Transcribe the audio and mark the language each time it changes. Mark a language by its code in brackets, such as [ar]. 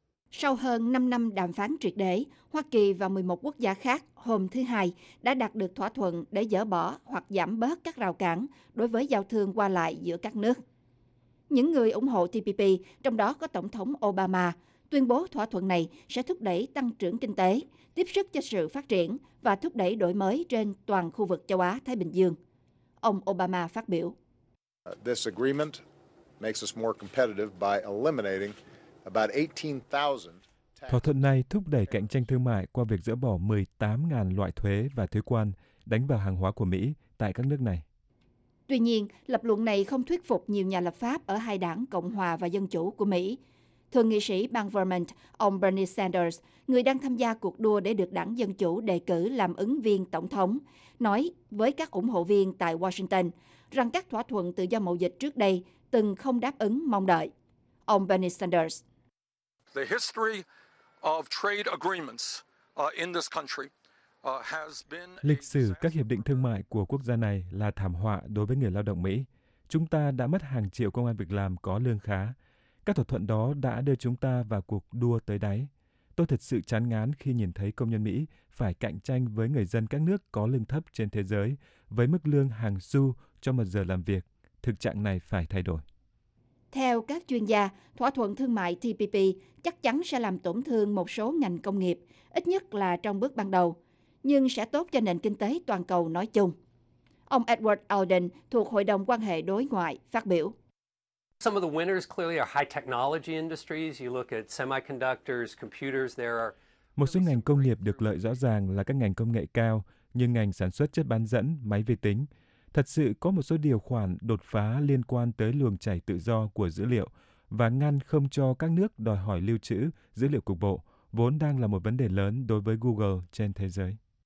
[vi] Sau hơn 5 năm đàm phán triệt để, Hoa Kỳ và 11 quốc gia khác hôm thứ Hai đã đạt được thỏa thuận để dỡ bỏ hoặc giảm bớt các rào cản đối với giao thương qua lại giữa các nước. Những người ủng hộ TPP, trong đó có Tổng thống Obama, tuyên bố thỏa thuận này sẽ thúc đẩy tăng trưởng kinh tế, tiếp sức cho sự phát triển và thúc đẩy đổi mới trên toàn khu vực châu Á-Thái Bình Dương. Ông Obama phát biểu. [en] This agreement makes us more competitive by eliminating about 18,000. [vi] Thỏa thuận này thúc đẩy cạnh tranh thương mại qua việc dỡ bỏ 18.000 loại thuế và thuế quan đánh vào hàng hóa của Mỹ tại các nước này. Tuy nhiên, lập luận này không thuyết phục nhiều nhà lập pháp ở hai đảng Cộng hòa và Dân chủ của Mỹ. Thượng nghị sĩ bang Vermont, ông Bernie Sanders, người đang tham gia cuộc đua để được đảng Dân chủ đề cử làm ứng viên tổng thống, nói với các ủng hộ viên tại Washington rằng các thỏa thuận tự do mậu dịch trước đây từng không đáp ứng mong đợi. Ông Bernie Sanders. [en] The history of trade agreements in this country has been. [vi] Lịch sử các hiệp định thương mại của quốc gia này là thảm họa đối với người lao động Mỹ. Chúng ta đã mất hàng triệu công ăn việc làm có lương khá. Các thỏa thuận đó đã đưa chúng ta vào cuộc đua tới đáy. Tôi thật sự chán ngán khi nhìn thấy công nhân Mỹ phải cạnh tranh với người dân các nước có lương thấp trên thế giới với mức lương hàng xu cho một giờ làm việc. Thực trạng này phải thay đổi. Theo các chuyên gia, thỏa thuận thương mại TPP chắc chắn sẽ làm tổn thương một số ngành công nghiệp, ít nhất là trong bước ban đầu, nhưng sẽ tốt cho nền kinh tế toàn cầu nói chung. Ông Edward Alden thuộc Hội đồng Quan hệ Đối ngoại phát biểu. [en] Some of the winners clearly are high technology industries. You look at semiconductors, computers, there are. [vi] Một số ngành công nghiệp được lợi rõ ràng là các ngành công nghệ cao như ngành sản xuất chất bán dẫn, máy vi tính. Thật sự có một số điều khoản đột phá liên quan tới luồng chảy tự do của dữ liệu và ngăn không cho các nước đòi hỏi lưu trữ dữ liệu cục bộ, vốn đang là một vấn đề lớn đối với Google trên thế giới.